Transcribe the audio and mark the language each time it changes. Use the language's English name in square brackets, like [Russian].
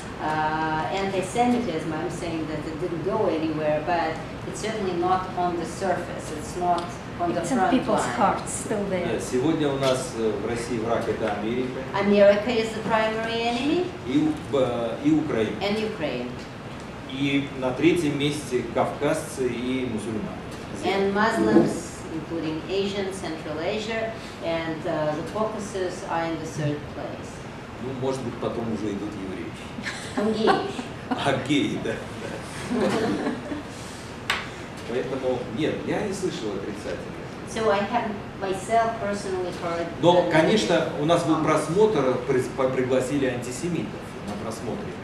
[English] anti-Semitism, I'm saying that it didn't go anywhere, but it's certainly not on the surface, it's not on the front line. It's in people's hearts still there. [Russian] Yeah, сегодня у нас в России враг это Америка. [English] America is the primary enemy. [Russian] И Украина. [English] And Ukraine. [Russian] И на третьем месте кавказцы и мусульмане. [English] And Muslims, including Asian, Central Asia, and the Caucasus are in the third place. [Russian] Ну, может быть, потом уже идут евреи. Геи. А геи, да. Поэтому, нет, я не слышал отрицательных. [English] So I have myself personally heard... [Russian] Но, конечно, у нас был просмотр, пригласили антисемитов на просмотре.